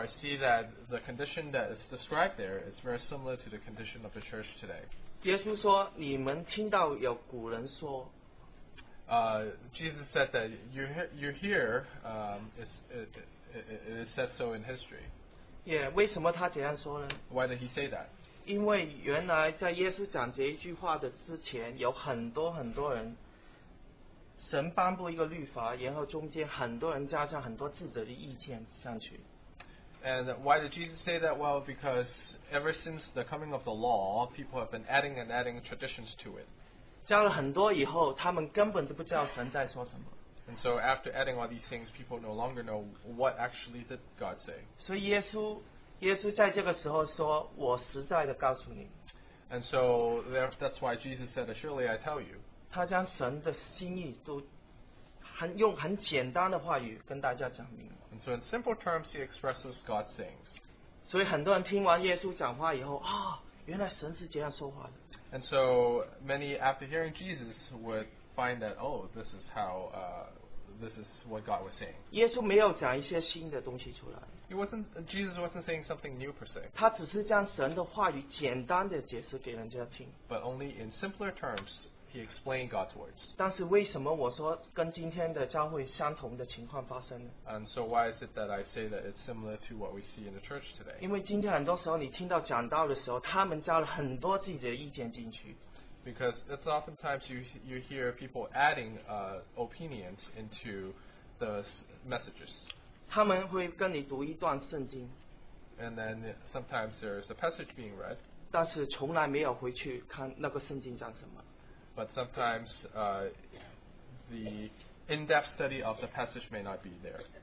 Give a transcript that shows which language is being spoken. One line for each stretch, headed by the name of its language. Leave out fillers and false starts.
English: I see that the condition that is described there is very similar to the condition of the church today.
Chinese: 耶稣说你们听到有古人说
English: Jesus said that you hear it is said so in history.
Chinese: Yeah, 为什么他这样说呢?
English: Why did he say that?
Chinese: 因为原来在耶稣讲这一句话的之前有很多很多人神颁布一个律法然后中间很多人加上很多自己的意见上去。
English: And why did Jesus say that? Well, because ever since the coming of the law, people have been adding and adding traditions to it.
Chinese: 加了很多以后, 他们根本都不知道神在说什么。And
English: so after adding all these things, people no longer know what actually did God say.
Chinese: 所以耶稣在这个时候说, 我实在地告诉你。
English: And so that's why Jesus said, "Surely I tell you."
Chinese: 他将神的心意都 用很简单的话语跟大家讲明。And
English: so in simple terms, he expresses God's sayings.
Chinese: 所以很多人听完耶稣讲话以后，啊，原来神是这样说话的。And
English: so many after hearing Jesus would find that, oh, this is what God was saying.
Chinese: 耶稣没有讲一些新的东西出来。He
English: wasn't, Jesus wasn't saying something new per se.
Chinese: 他只是将神的话语简单的解释给人家听。But
English: only in simpler terms, he explained God's words.
Chinese: 但是为什么我说跟今天的教会相同的情况发生呢?
English: And so why is it that I say that it's similar to what we see in the church today?
Chinese: 因为今天很多时候你听到讲道的时候, 他们加了很多自己的意见进去。
English: Because it's oftentimes you hear people adding opinions into the messages.
Chinese: 他们会跟你读一段圣经。
English: And then sometimes there's a passage being read.
Chinese: 但是从来没有回去看那个圣经讲什么。
English: But sometimes the in-depth study of the passage may not be there.